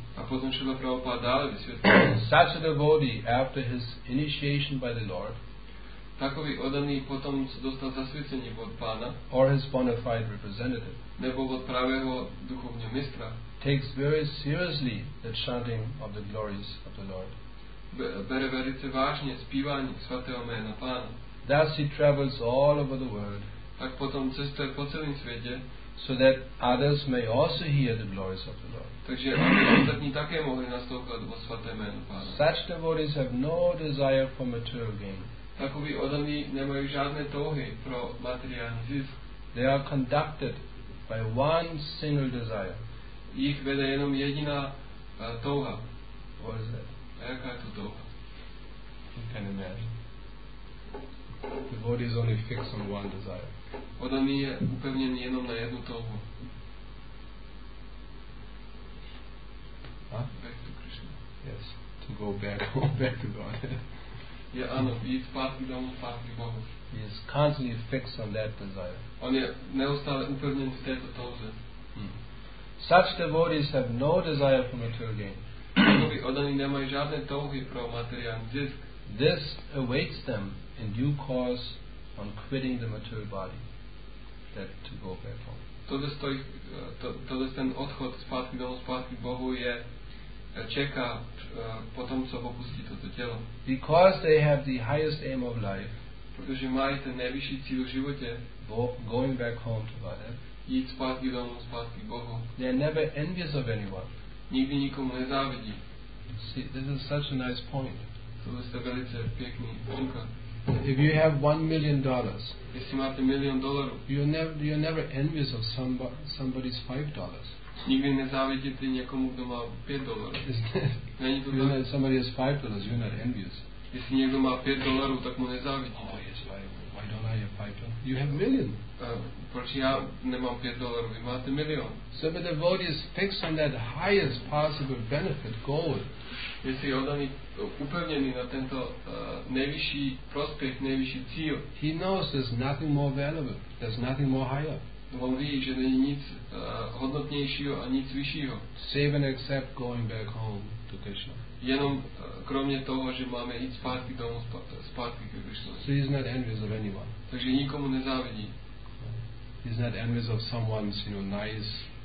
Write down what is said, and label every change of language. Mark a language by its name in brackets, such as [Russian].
[Czech] A potom Srila Prabhupada dále vysvětlí. [English] Such a devotee, after his initiation by the Lord, [Czech] takový oddaný potom, co dostal zasvěcení od Pána, [English] or his bona fide representative, [Czech] nebo od pravého duchovního mistra, [English] takes very seriously the chanting of the glories of the Lord. [Czech] Bere velice vážně zpívání svatého jména Pána. [English] Thus he travels all over the world. [Czech] Tak potom cestuje po celém světě. [English] So that others may also hear the glories of the Lord. [Czech] Takže ostatní také mohli naslouchat o svaté jméno Pána. [English] Such devotees have no desire for material gain. [Czech] Takoví oddaní nemají žádné touhy pro materiální zisk. [English] They are conducted by one single desire. [Czech] Jich vede jenom jediná touha. [English] What is that? [Czech] A jaká je to touha? [English] You can imagine. The body is only fixed on one desire. [Czech] Oddaný je upevněn jenom na jednu touhu. [English] Back to Krishna. Yes, to go back to God. [Czech] Je ano, jít zpátky domů, zpátky Bohu. [English] He is constantly fixed on that desire. [Czech] On je neustále upevněn v této touze. [English] Such devotees have no desire for material gain. [Czech] Oddaný nemají žádné touhy pro materiální zisk. [English] This awaits them in due course on quitting the material body, that to go back home. [Czech] To ten odchod zpátky domů, zpátky Bohu je čeká po tom, co opustí toto tělo. [English] Because they have the highest aim of life, [Czech] protože mají ten nejvyšší cíl v životě, [English] going back home to God, [Czech] jít zpátky domů, zpátky Bohu, [English] they are never envious of anyone. [Czech] Nikdy nikomu nezávidí. [English] See, this is such a nice point. [Czech] To je velice pěkný příklad. [English] If you have $1 million, [Czech] jestli máte milion dolarů, [English] you're never envious of somebody's $5. [Czech] Nikdy nezávidíte někomu, kdo má $5. [English] Isn't it? Somebody has $5, you're not envious. [Czech] Jestli někdo má $5, tak mu nezávidíte. [English] Oh yes, why don't I have $5? You have million. [Czech] Proč já nemám $5, vy máte milion. [English] So the devotee is fixed on that highest possible benefit goal. [Czech] Jestli je oddaný upevněný na tento nejvyšší prospěch, nejvyšší cíl. [English] He knows there's nothing more valuable, there's nothing more higher. [Czech] On ví, že není nic hodnotnějšího a nic vyššího. [English] Save and accept going back home to Krishna. [Czech] Jenom kromě toho, že máme jít zpátky domů, zpátky ke Krishna. [English] So he's not envious of anyone. [Czech] Takže nikomu nezávidí. [English] He's not envious of someone's, you know, nice